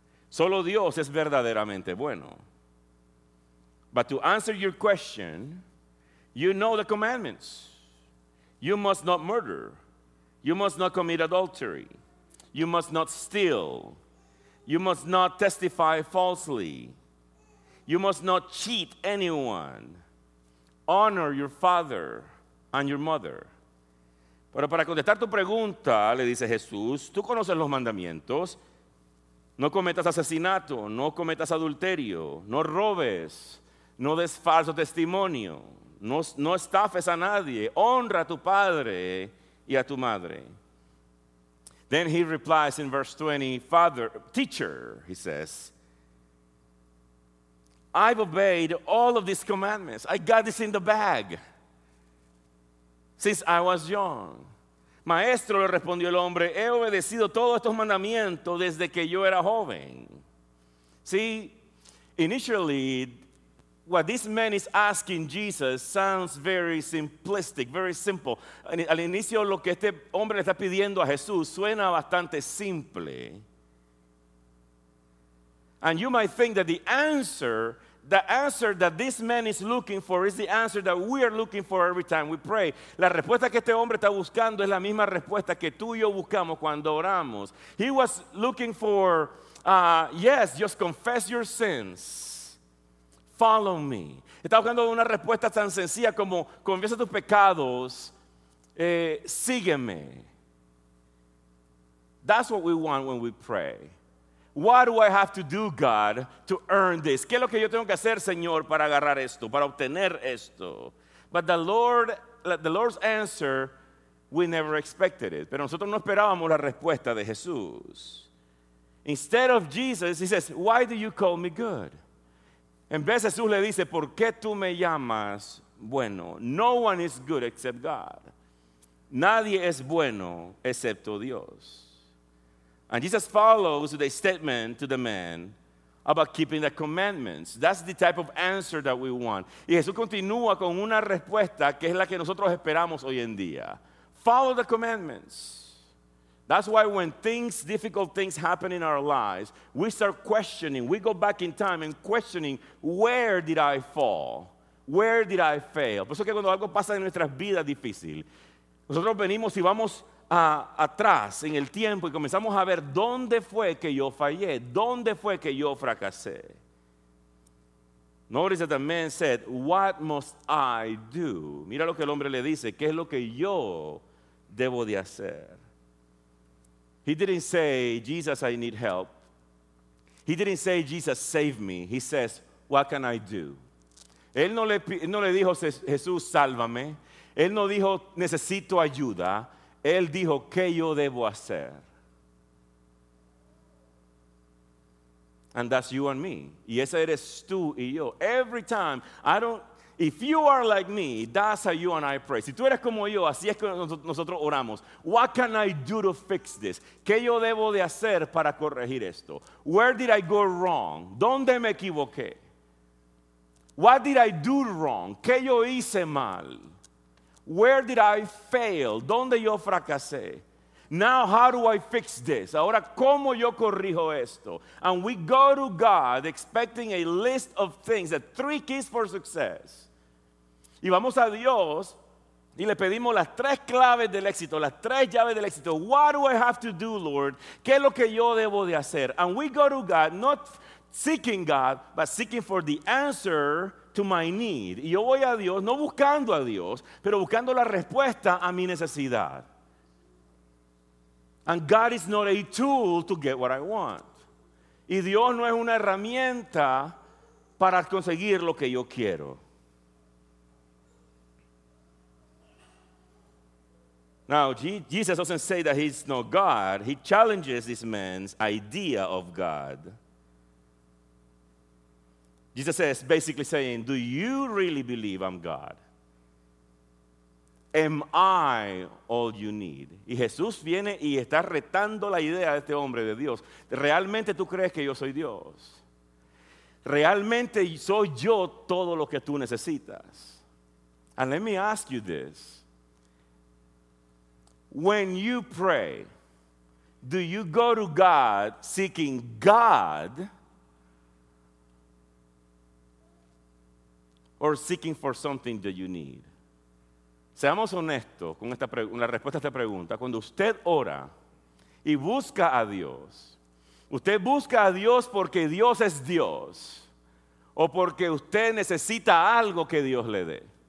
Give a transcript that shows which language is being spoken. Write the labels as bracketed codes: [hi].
[es] Solo Dios es verdaderamente bueno. [en] But to answer your question, you know the commandments. You must not murder. You must not commit adultery. You must not steal. You must not testify falsely. You must not cheat anyone. Honor your father and your mother." [es] Pero para contestar tu pregunta, le dice Jesús, tú conoces los mandamientos. No cometas asesinato, no cometas adulterio, no robes, no des falso testimonio, no estafes a nadie, honra a tu padre y a tu madre. [en] Then he replies in verse 20, "Father, teacher," he says, "I've obeyed all of these commandments. I got this in the bag since I was young." [es] "Maestro," le respondió el hombre, "he obedecido todos estos mandamientos desde que yo era joven." [en] See, initially, what this man is asking Jesus sounds very simplistic, very simple. [es] Al inicio, lo que este hombre le está pidiendo a Jesús suena bastante simple. [en] And you might think that the answer that this man is looking for is the answer that we are looking for every time we pray. [es] La respuesta que este hombre está buscando es la misma respuesta que tú y yo buscamos cuando oramos. [en] He was looking for, yes, just confess your sins. Follow me. [es] Está buscando una respuesta tan sencilla como, confiesa tus pecados, sígueme. [en] That's what we want when we pray. What do I have to do, God, to earn this? [es] ¿Qué es lo que yo tengo que hacer, Señor, para agarrar esto, para obtener esto? [en] But the Lord's answer, we never expected it. [es] Pero nosotros no esperábamos la respuesta de Jesús. [en] Instead of Jesus, he says, "Why do you call me good?" [es] En vez Jesús le dice, "¿Por qué tú me llamas bueno?" [en] No one is good except God. [es] Nadie es bueno excepto Dios. [en] And Jesus follows with a statement to the man about keeping the commandments. That's the type of answer that we want. [es] Y Jesús continúa con una respuesta que es la que nosotros esperamos hoy en día. [en] Follow the commandments. That's why when difficult things happen in our lives, we start questioning. We go back in time and questioning, where did I fall? Where did I fail? [es] Por eso que cuando algo pasa en nuestras vidas difícil, nosotros venimos y vamos atrás en el tiempo y comenzamos a ver dónde fue que yo fallé, dónde fue que yo fracasé. [en] Notice that the man said, "What must I do?" [es] Mira lo que el hombre le dice, ¿qué es lo que yo debo de hacer? [en] He didn't say, "Jesus, I need help." He didn't say, "Jesus, save me." He says, "What can I do?" [es] Él no le dijo, "Jesús, sálvame." Él no dijo, "Necesito ayuda." Él dijo, ¿qué yo debo hacer? [en] And that's you and me. [es] Y ese eres tú y yo. [en] Every time, if you are like me, that's how you and I pray. [es] Si tú eres como yo, así es como nosotros oramos. [en] What can I do to fix this? [es] ¿Qué yo debo de hacer para corregir esto? [en] Where did I go wrong? [es] ¿Dónde me equivoqué? [en] What did I do wrong? [es] ¿Qué yo hice mal? [en] Where did I fail? [es] ¿Dónde yo fracasé? [en] Now, how do I fix this? [es] Ahora, ¿cómo yo corrijo esto? [en] And we go to God expecting a list of things, the three keys for success. [es] Y vamos a Dios y le pedimos las tres claves del éxito, las tres llaves del éxito. [en] What do I have to do, Lord? [es] ¿Qué es lo que yo debo de hacer? [en] And we go to God, not seeking God, but seeking for the answer to my need. [es] Y yo voy a Dios, no buscando a Dios, pero buscando la respuesta a mi necesidad. [en] And God is not a tool to get what I want. [es] Y Dios no es una herramienta para conseguir lo que yo quiero. [en] Now, Jesus doesn't say that he's not God. He challenges this man's idea of God. Jesus says, basically saying, do you really believe I'm God? Am I all you need? [es] Y Jesús viene y está retando la idea de este hombre de Dios. ¿Realmente tú crees que yo soy Dios? ¿Realmente soy yo todo lo que tú necesitas? [en] And let me ask you this. When you pray, do you go to God seeking God or seeking for something that you need? [es] Seamos honestos con esta la respuesta a esta pregunta. Cuando usted ora y busca a Dios, ¿usted busca a Dios porque Dios es Dios o porque usted necesita algo que Dios le dé?